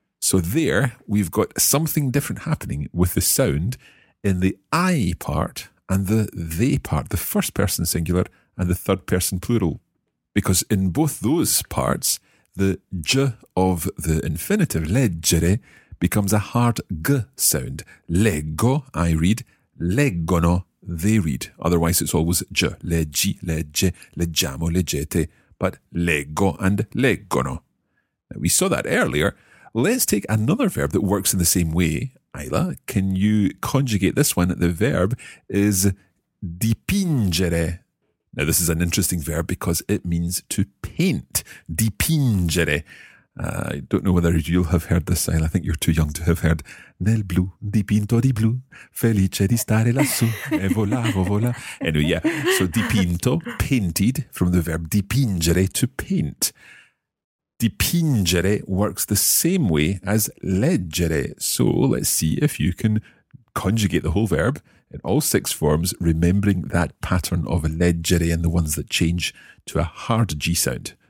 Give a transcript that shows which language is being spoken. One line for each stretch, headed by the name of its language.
English: So there, we've got something different happening with the sound in the I part and the they part, the first person singular and the third person plural. Because in both those parts, the J of the infinitive, leggere, becomes a hard G sound. Leggo, I read. Leggono, they read. Otherwise, it's always J.
Italian: Leggi, legge, leggiamo, leggete.
English: But leggo and leggono. Now, we saw that earlier. Let's take another verb that works in the same way. Ayla, can you conjugate this one? The verb is dipingere. Now, this is an interesting verb because it means to paint. Dipingere. I don't know whether you'll have heard this, Ayla. I think you're too young to have heard.
Italian: Nel blu, dipinto di blu, felice di stare lassù, e volavo, vola.
English: Anyway, yeah. So dipinto, painted, from the verb dipingere, to paint. Dipingere works the same way as leggere. So let's see if you can conjugate the whole verb in all six forms, remembering that pattern of leggere and the ones that change to a hard G sound.